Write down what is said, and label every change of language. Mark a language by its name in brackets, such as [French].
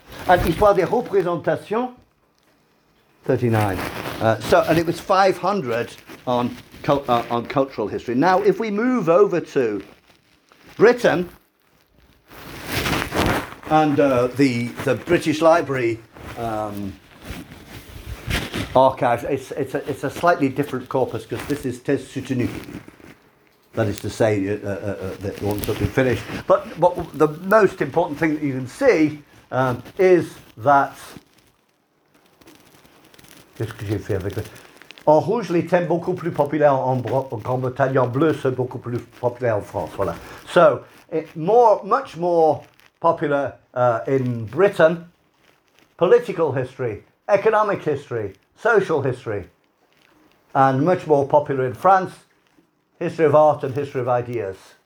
[English] And histoire des représentations, 39. And it was 500 on cultural history. Now, if we move over to Britain and the British Library archives, it's a slightly different corpus because this is Thèse soutenue, that is to say, that one's not been finished. But the most important thing that you can see is that. [French] Qu'est-ce que j'ai fait avec ça? En rouge, les thèmes beaucoup plus populaires en Grande-Bretagne. En bleu, c'est beaucoup plus populaire en France. Voilà. [English] So, much more popular in Britain. Political history, economic history, social history, and much more popular in France, history of art and history of ideas.